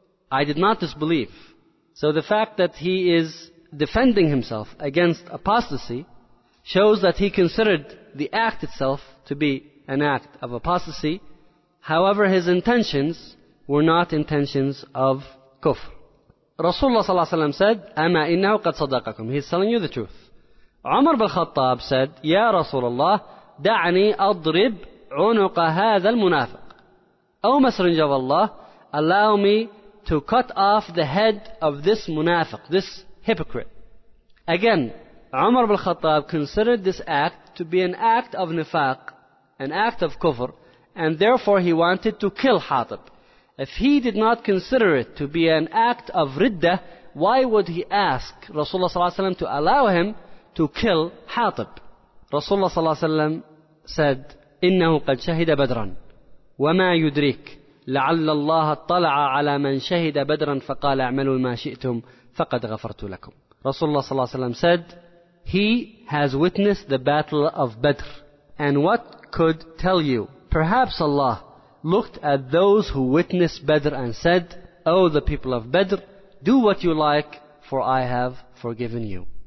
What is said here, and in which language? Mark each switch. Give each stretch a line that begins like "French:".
English: I did not disbelieve. So the fact that he is defending himself against apostasy shows that he considered the act itself to be an act of apostasy. However, his intentions were not intentions of kufr. Rasulullah ﷺ said,
Arabic: أَمَا إِنَّهُ قَدْ صَدَقَكُمْ.
English: He's telling you the truth. Umar bin Khattab said,
Arabic: يَا رَسُولَ اللَّهِ دَعْنِي أَضْرِبْ عُنُقَ هَذَا الْمُنَافِقِ.
English: O Messenger of Allah, allow me to cut off the head of this munafiq, this hypocrite. Again, Umar bin Khattab considered this act to be an act of nifaq, an act of kufr, and therefore he wanted to kill Hatib. If he did not consider it to be an act of riddah, why would he ask Rasulullah ﷺ to allow him to kill Hatib? Rasulullah ﷺ said,
Arabic: إِنَّهُ قَدْ شَهِدَ بَدْرًا وَمَا يُدْرِيكَ لَعَلَّ اللَّهَ اطَّلَعَ عَلَى مَنْ شَهِدَ بَدْرًا فَقَالَ اعْمَلُوا مَا شِئْتُمْ فَقَدْ غَفَرْتُ لَكُمْ.
English: Rasulullah ﷺ said, he has witnessed the battle of Badr, and what could tell you? Perhaps Allah looked at those who witnessed Badr and said, O the people of Badr, do what you like, for I have forgiven you.